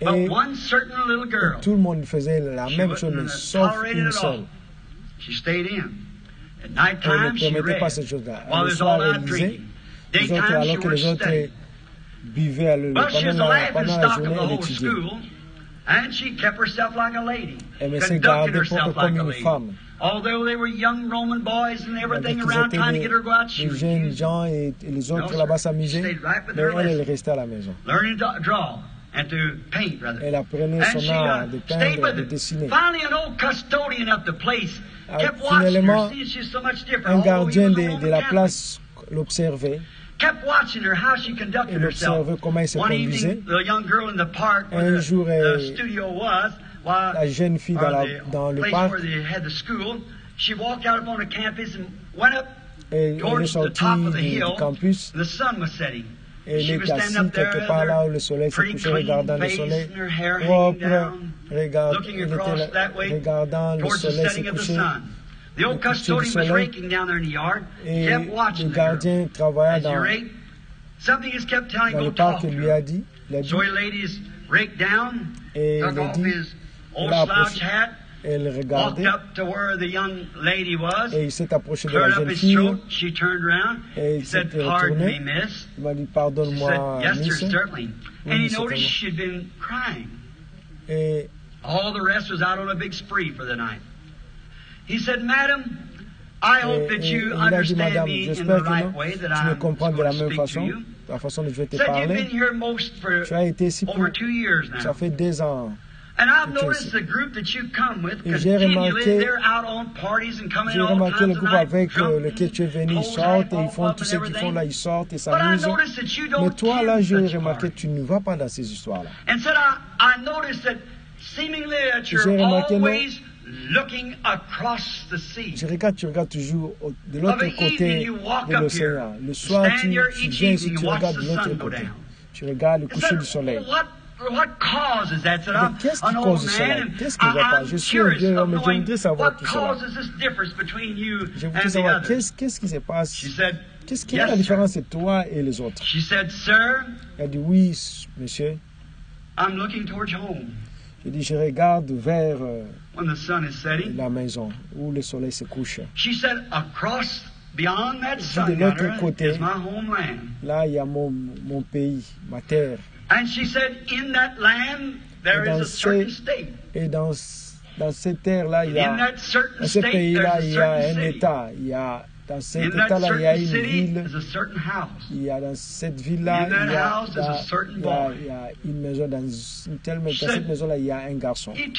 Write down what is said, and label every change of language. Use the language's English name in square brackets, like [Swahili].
[French] tout le monde faisait la même chose, mais sauf une seule. Elle ne permettait pas cette chose-là. Le soir, elle lisait. Alors que les autres buvaient pendant la journée, elle étudiait. [English] And she kept herself like a lady. [French] Elle s'est gardée pour comme une femme. [English] Although they were young Roman boys and everything around trying to get her to go out shooting. [French] Les jeunes gens et les autres là-bas s'amusaient. Mais elle est restée à la maison. [English] Learning to draw and to paint, rather. [French] Elle apprenait son art de peindre et de dessiner. [English] Finally, an old custodian of the place kept watching her, she's so much different. [French] Un gardien de la place l'observait. [English] Kept watching her how she conducted herself. One evening, the young girl in the park where the studio was, while [French] la jeune fille dans le parc, [English] where they had the school, she walked out upon the campus and went up towards the top of the hill. Campus. The sun was setting. [French] Et elle était assise quelque part là où le soleil s'est couché, regardant le soleil propre, regardant le soleil s'est couché. [English] The old custodian was raking down there in the yard. [French] Et [English] kept watching [French] le gardien travaillait dans le parc. [English] Something has kept telling him to talk. [French] Il lui a dit, la [English] joy ladies raked down, took off his old slouch hat, walked up to where the young lady was, [French] et il s'est approché [English] cleared [French] de la jeune fille. [English] Throat, she turned around, [French] et [English] he said, "Pardon me, miss." [French] Il m'a dit, pardonne-moi, miss. [English] Yes, sir, certainly. And he noticed she'd been crying. [French] Et [English] all the rest was out on a big spree for the night. He said, "Madam, I hope that you understand me in the right way that I'm going to speak to you. [French] La façon dont je vais te parler. [English] Said you've been here most for over 2 years now. [French] Ça fait 2 ans. [English] And I've noticed the group that you come with, because they're out on parties and coming all the time. [French] J'ai remarqué le groupe avec lequel tu es venu, ils sortent et ils font tout ce qu'ils font là, ils sortent et s'amusent. Mais toi là, j'ai remarqué que tu ne vas pas dans ces histoires-là. [English] And said, I noticed that seemingly that you're always looking across the sea. [French] Je regarde, tu regardes toujours de l'autre côté de l'océan. Le soir, tu viens et tu regardes de l'autre côté. Tu regardes le coucher du soleil. What causes that? Mais qu'est-ce qui cause cela? Qu'est-ce qui ne va pas? Je suis un vieux homme, je voudrais savoir tout cela. Je voudrais savoir qu'est-ce qui se passe? Qu'est-ce qui est la différence entre toi et les autres? Elle a dit, oui, monsieur. [English] I'm looking towards home. [French] Il dit, je regarde vers [English] when the sun is setting, [French] la maison où le soleil se couche. [English] She said, across, beyond that sun, [French] de l'autre côté, [English] is my homeland. [French] Là, il y a mon pays, ma terre. [English] And she said, in that land, there is a certain state. [French] Et dans ces terres-là, il y a, dans ces pays-là, il y a un état. Il y a, dans cet état-là, il y a une ville. Il y a dans cette ville-là, il y a une maison. Dans une telle maison, dans cette maison-là, il y a un garçon.